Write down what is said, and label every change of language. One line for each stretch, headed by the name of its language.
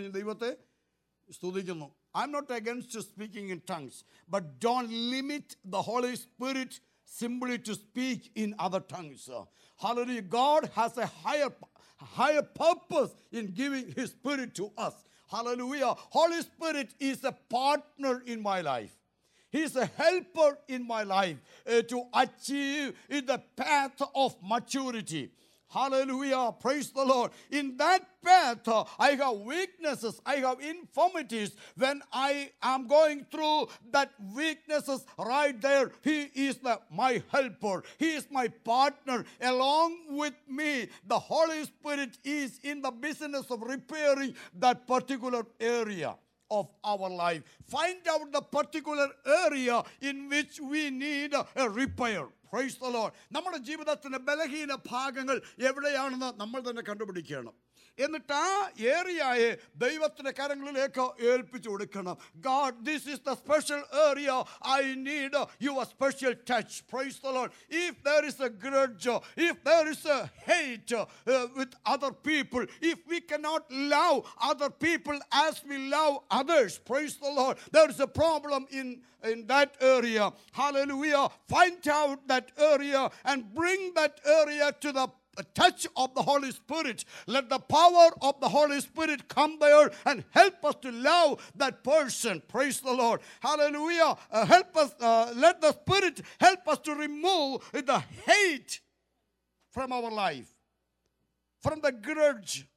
Malayalam: ഞാൻ ദൈവത്തെ സ്തുതിക്കുന്നു.
English: I am not against speaking in tongues, but don't limit the Holy Spirit simply to speak in other tongues. Hallelujah. God has a higher purpose in giving his Spirit to us. Hallelujah. Holy Spirit is a partner in my life. He is a helper in my life to achieve in the path of maturity. Hallelujah. Praise the Lord. In that path, I have weaknesses. I have infirmities. When I am going through that weaknesses right there, He is my helper. He is my partner. Along with me, the Holy Spirit is in the business of repairing that particular area of our life. Find out the particular area in which we need a repair. Praise the Lord.
Malayalam: നമ്മുടെ ജീവിതത്തിൻ്റെ ബലഹീന ഭാഗങ്ങൾ എവിടെയാണെന്ന് നമ്മൾ തന്നെ കണ്ടുപിടിക്കണം. എന്നിട്ട് ആ ഏരിയയെ ദൈവത്തിൻ്റെ കരങ്ങളിലേക്ക് ഏൽപ്പിച്ചു കൊടുക്കണം.
English: God, this is the special area, I need your special touch. Praise the Lord. If there is a grudge, if there is a hate with other people, if we cannot love other people as we love others, praise the Lord, there is a problem in that area. Hallelujah. Find out that area and bring that area to the touch of the Holy Spirit. Let the power of the Holy Spirit come there and help us to love that person. Praise the Lord. Hallelujah. Help us, let the Spirit help us to remove the hate from our life, from the grudge.